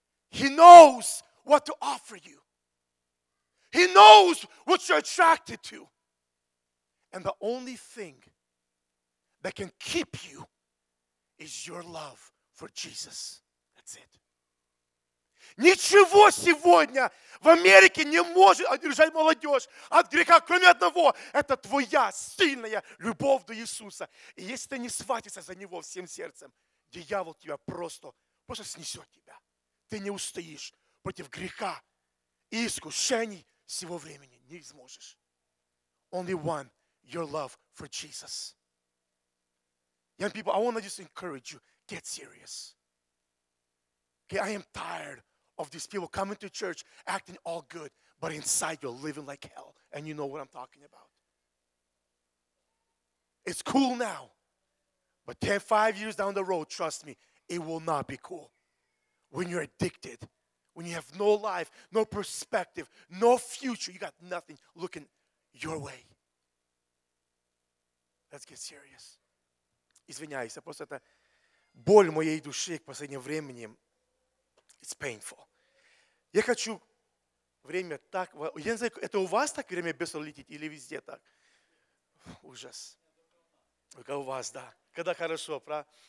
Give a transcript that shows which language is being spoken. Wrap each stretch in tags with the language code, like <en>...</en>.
<en>He knows what to offer you. He knows what you're attracted to. And the only thing that can keep you is your love for Jesus. That's it.</en> <ru>Ничего сегодня в Америке не может одержать молодежь от греха, кроме одного. Это твоя сильная любовь до Иисуса. И если ты не схватишься за Него всем сердцем, дьявол тебя просто снесет тебя. Ты не устоишь против греха и искушений всего времени. Не сможешь.</ru> <en>Only one, your love for Jesus. Young people, I want to just encourage you, get serious. Okay, I am tired of these people coming to church, acting all good, but inside you're living like hell, and you know what I'm talking about. It's cool now, but 10-5 years down the road, trust me, it will not be cool. When you're addicted, when you have no life, no perspective, no future, you got nothing looking your way. Let's get serious.</en> <ru>Извиняюсь, просто это боль моей души в последнее время.</ru> <en>It's painful.</en> <ru>Я хочу время так... Я не знаю, это у вас так время бесов летит или везде так? Ужас. Только у вас, да. Когда хорошо, правда?</ru>